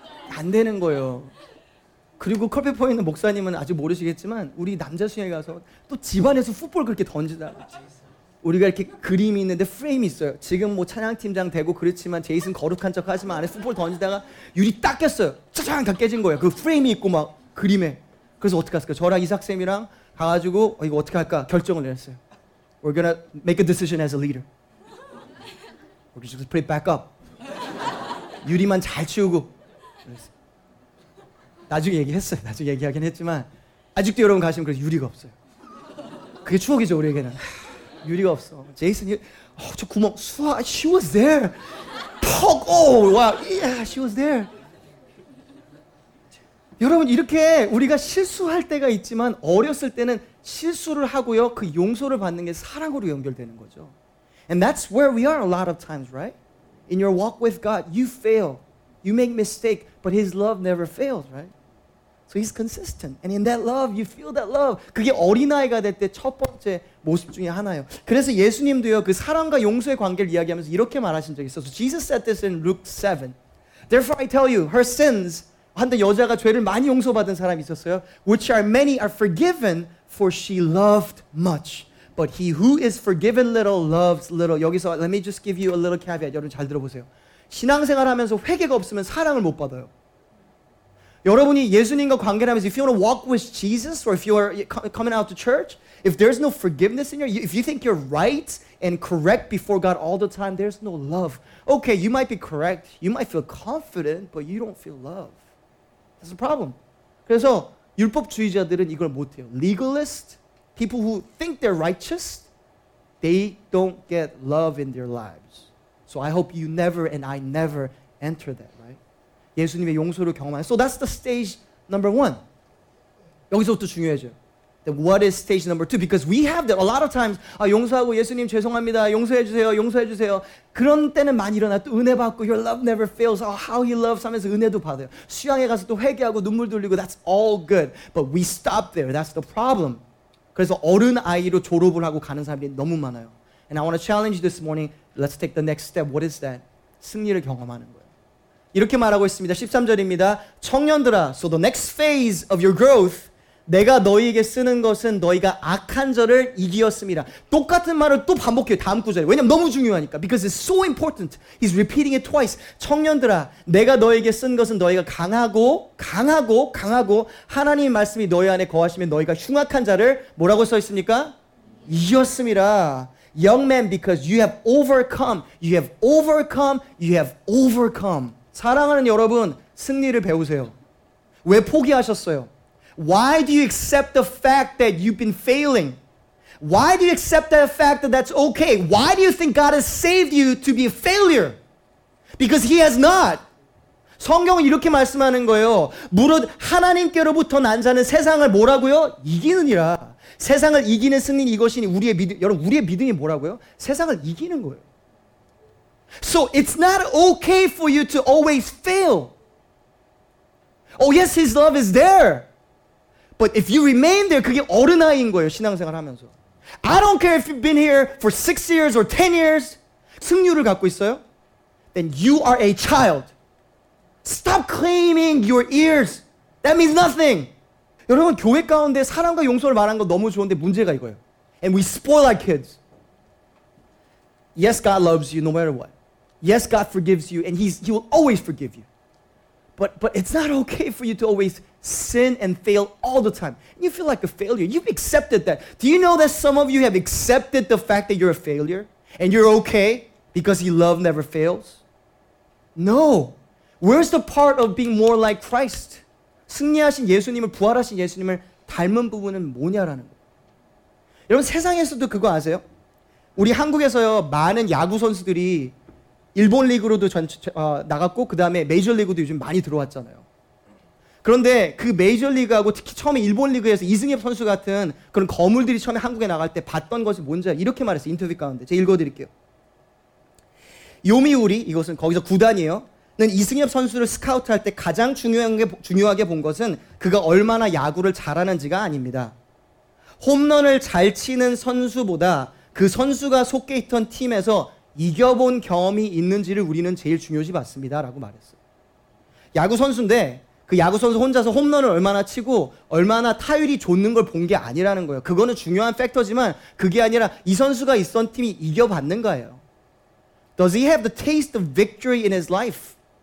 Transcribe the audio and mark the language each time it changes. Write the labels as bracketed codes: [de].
[ko] 안 되는 거예요. 그리고 컬페퍼에 있는 목사님은 아직 모르시겠지만 우리 남자 수영에 가서 또 집안에서 풋볼 그렇게 던지다 우리가 이렇게 그림이 있는데 프레임이 있어요. 지금 뭐 찬양팀장 되고 그렇지만 제이슨 거룩한 척 하지만 안에 풋볼 던지다가 유리 딱 꼈어요. 짜잔 다 깨진 거예요. 그 프레임이 있고 막 그림에. 그래서 어떻게 할까요? 저랑 이삭쌤이랑 가가지고 이거 어떻게 할까 결정을 내렸어요. [en] We're gonna make a decision as a leader. We're just gonna put it back up. [ko] 유리만 잘 치우고 나중에 얘기했어요. 나중에 얘기하긴 했지만 아직도 여러분 가시면 그래서 유리가 없어요. 그게 추억이죠 우리에게는. 유리가 없어. 제이슨이 저 구멍 수아 [en] she was there. 퍽 오 와 yeah she was there. [ko] 여러분 이렇게 우리가 실수할 때가 있지만 어렸을 때는 실수를 하고요 그 용서를 받는 게 사랑으로 연결되는 거죠. [en] And that's where we are a lot of times, right? In your walk with God, you fail. You make mistake, but His love never fails, right? So He's consistent. And in that love, you feel that love. [ko] 그게 어린아이가 될 때 첫 번째 모습 중에 하나예요. 그래서 예수님도요, 그 사랑과 용서의 관계를 이야기하면서 이렇게 말하신 적이 있어요. [en] So Jesus said this in Luke 7. Therefore I tell you, her sins, [ko] 한데 여자가 죄를 많이 용서받은 사람이 있었어요. [en] Which are many are forgiven, for she loved much. But he who is forgiven little loves little. [ko] 여기서 [en] let me just give you a little caveat. [ko] 여러분 잘 들어보세요. 신앙생활 하면서 회개가 없으면 사랑을 못 받아요. 여러분이 예수님과 관계를 하면서 [en] if you want to walk with Jesus or if you are coming out to church, if there's no forgiveness in you, if you think you're right and correct before God all the time, there's no love. Okay, you might be correct. You might feel confident, but you don't feel love. That's a problem. [ko] 그래서 율법주의자들은 이걸 못 해요. [en] Legalists, people who think they're righteous, they don't get love in their lives. So I hope you never and I never enter that, right? [ko] 예수님의 용서를 경험하는. [en] So that's the stage number one. [ko] 여기서부터 중요해져요. [en] Then what is stage number two? Because we have that a lot of times. [ko] 아, 용서하고 예수님 죄송합니다. 용서해주세요. 용서해주세요. 그런 때는 많이 일어나. 또 은혜 받고 [en] your love never fails. Oh, how he loves [ko] 하면서 은혜도 받아요. 수양에 가서 또 회개하고 눈물 흘리고 [en] that's all good. But we stop there. That's the problem. [ko] 그래서 어른 아이로 졸업을 하고 가는 사람들이 너무 많아요. [en] And I want to challenge you this morning. Let's take the next step. What is that? [ko] 승리를 경험하는 거예요. 이렇게 말하고 있습니다. 13절입니다. 청년들아, [en] so the next phase of your growth, [ko] 내가 너희에게 쓰는 것은 너희가 악한 저를 이기었습니다. 똑같은 말을 또 반복해요. 다음 구절에. 왜냐면 너무 중요하니까. [en] Because it's so important. He's repeating it twice. [ko] 청년들아, 내가 너희에게 쓴 것은 너희가 강하고 하나님의 말씀이 너희 안에 거하시면 너희가 흉악한 자를 뭐라고 써 있습니까? 이겼습니다. [en] Young man, because you have overcome, you have overcome, you have overcome. [ko] 사랑하는 여러분, 승리를 배우세요. 왜 포기하셨어요? [en] Why do you accept the fact that you've been failing? Why do you accept that fact that that's okay? Why do you think God has saved you to be a failure? Because He has not. [ko] 성경은 이렇게 말씀하는 거예요. 무릇 하나님께로부터 난 자는 세상을 뭐라고요? 이기느니라. 세상을 이기는 승리는 이것이니 우리의 믿음, 여러분 우리의 믿음이 뭐라고요? 세상을 이기는 거예요. [en] So it's not okay for you to always fail. Oh yes, His love is there. But if you remain there, [ko] 그게 어른아이인 거예요, 신앙생활 하면서. [en] I don't care if you've been here for 6 years or 10 years. [ko] 승률을 갖고 있어요? [en] Then you are a child. Stop claiming your ears. That means nothing. [ko] 여러분, 교회 가운데 사랑과 용서를 말한 건 너무 좋은데 문제가 이거예요. [en] And we spoil our kids. Yes, God loves you no matter what. Yes, God forgives you and He will always forgive you. But it's not okay for you to always sin and fail all the time. You feel like a failure. You've accepted that. Do you know that some of you have accepted the fact that you're a failure and you're okay because your love never fails? No. Where's the part of being more like Christ? [ko] 승리하신 예수님을, 부활하신 예수님을 닮은 부분은 뭐냐라는 거예요. 여러분, 세상에서도 그거 아세요? 우리 한국에서요, 많은 야구 선수들이 일본 리그로도 나갔고 그 다음에 메이저 리그도 요즘 많이 들어왔잖아요. 그런데 그 메이저 리그하고 특히 처음에 일본 리그에서 이승엽 선수 같은 그런 거물들이 처음에 한국에 나갈 때 봤던 것이 뭔지 이렇게 말했어요. 인터뷰 가운데 제가 읽어드릴게요. 요미우리, 이것은 거기서 구단이에요, 는 이승엽 선수를 스카우트할 때 가장 중요하게 본 것은 그가 얼마나 야구를 잘하는지가 아닙니다. 홈런을 잘 치는 선수보다 그 선수가 속해 있던 팀에서 이겨본 경험이 있는지를 우리는 제일 중요시 봤습니다 라고 말했어요. 야구선수인데 그 야구선수 혼자서 홈런을 얼마나 치고 얼마나 타율이 좋는 걸 본 게 아니라는 거예요. 그거는 중요한 팩터지만 그게 아니라 이 선수가 있던 팀이 이겨봤는 거예요. [en] Does he have the taste of victory in his life?